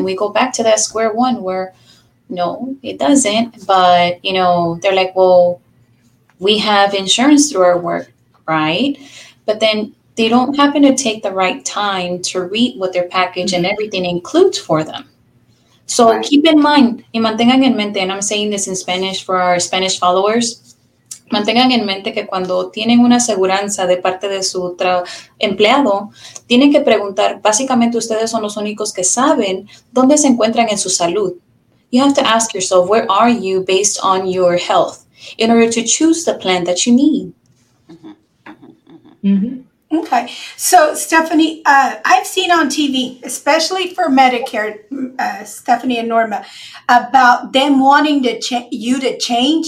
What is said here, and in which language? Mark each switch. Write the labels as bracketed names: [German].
[English] And we go back to that square one where, no, it doesn't. But, you know, they're like, well, we have insurance through our work, right? But then they don't happen to take the right time to read what their package mm-hmm. and everything includes for them. So right. Keep in mind, [Spanish] y mantengan en mente, [English] and I'm saying this in Spanish for our Spanish followers, [Spanish] mantengan en mente que cuando tienen una aseguranza de parte de su empleado, tienen que preguntar, básicamente ustedes son los únicos que saben dónde se encuentran en su salud. [English] You have to ask yourself, where are you based on your health in order to choose the plan that you need? Mm-hmm. Okay. So, Stephanie, I've seen on TV, especially for Medicare, Stephanie and Norma, about them wanting to you to change.